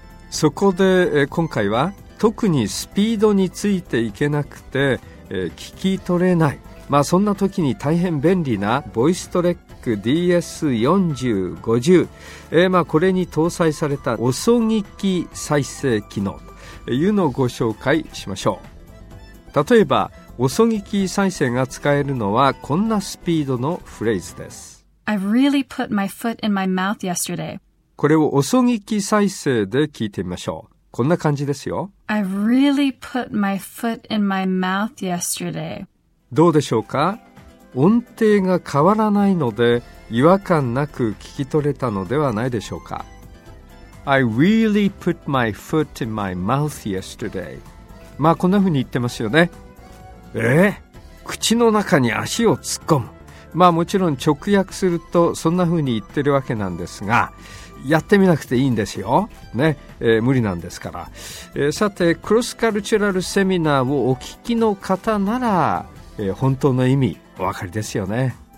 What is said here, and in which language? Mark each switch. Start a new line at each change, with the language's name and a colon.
Japanese: そこで、今回は特にスピードについていけなくて、聞き取れない、まあそんな時に大変便利なボイストレック DS4050、まあこれに搭載された遅聞き再生機能というのをご紹介しましょう。例えば遅聞き再生が使えるのはこんなスピードのフレーズです。
English: I've really put my foot in my mouth yesterday。
Japanese: これを遅聞き再生で聞いてみましょう。こんな感じですよ。
English: I've really put my foot in my mouth yesterday。
Japanese: どうでしょうか、音程が変わらないので違和感なく聞き取れたのではないでしょうか。
English: I really put my foot in my mouth yesterday。
Japanese: まあこんな風に言ってますよね。口の中に足を突っ込む、まあもちろん直訳するとそんな風に言ってるわけなんですが、やってみなくていいんですよ、ね、無理なんですから、さてクロスカルチュラルセミナーをお聞きの方なら、本当の意味お分かりですよね。